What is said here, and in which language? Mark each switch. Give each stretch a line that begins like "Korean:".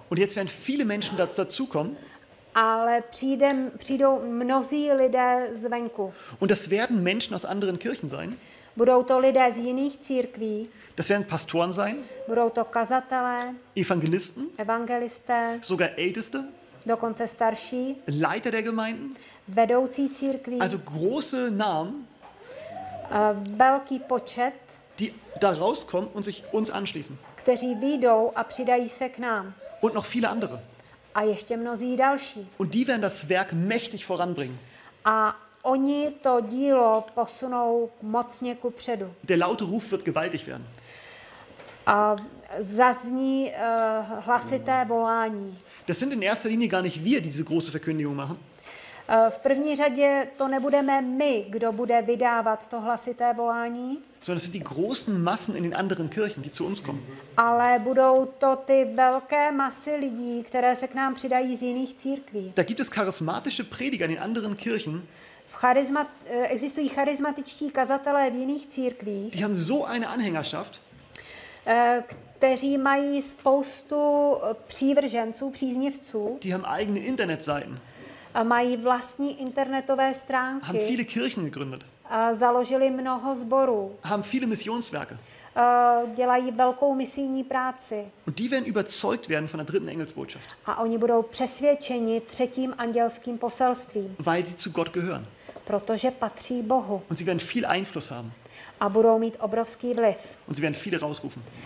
German: Und jetzt werden viele Menschen dazukommen.
Czech: Ale přijdou mnozí lidé zvenku.
German: Und das werden Menschen aus anderen Kirchen sein.
Czech: Budou to lidé z jiných církví.
German: Das werden Pastoren sein.
Czech: Budou to kazatelé.
German: Evangelisten.
Czech: Evangelisté.
German: Sogar Älteste.
Czech: Dokonce starší.
German: Leiter der Gemeinden.
Czech: Vedoucí církví.
German: Also große Namen.
Czech: Velký počet.
German: Die da rauskommen und sich uns anschließen.
Czech: Kteří vyjdou a přidají se k nám.
German: Und noch viele andere.
Czech: A ještě mnozí další.
German: Und die werden das Werk mächtig voranbringen.
Czech: A oni to dílo posunou mocně kupředu.
German: Der laute Ruf wird gewaltig werden.
Czech: A zazní hlasité volání.
German: Das sind in erster Linie gar nicht wir, die diese große Verkündigung machen.
Czech: V první řadě to nebudeme my, kdo bude vydávat to hlasité volání.
German: Sondern sind die großen Massen in den anderen Kirchen, die zu uns kommen.
Czech: Ale budou to ty velké masy lidí, které se k nám přidají z jiných církví.
German: Da gibt es charismatische Prediger in den anderen Kirchen.
Czech: Existují charismatičtí kazatelé v jiných církvích.
German: Die haben so eine Anhängerschaft.
Czech: Kteří mají spoustu přívrženců, příznivců.
German: Die haben eigene Internetseiten.
Czech: Mají vlastní internetové stránky.
German: Haben viele Kirchen gegründet.
Czech: A založili mnoho sborů.
German: Haben viele Missionswerke.
Czech: Dělají velkou misijní práci.
German: Und die werden überzeugt werden von der dritten Engelsbotschaft.
Czech: A oni budou přesvědčeni třetím andělským poselstvím.
German: Weil sie zu Gott gehören.
Czech: Protože patří Bohu.
German: Und sie werden viel Einfluss haben.
Czech: A budou mít obrovský vliv.
German: Und sie werden viele rausrufen.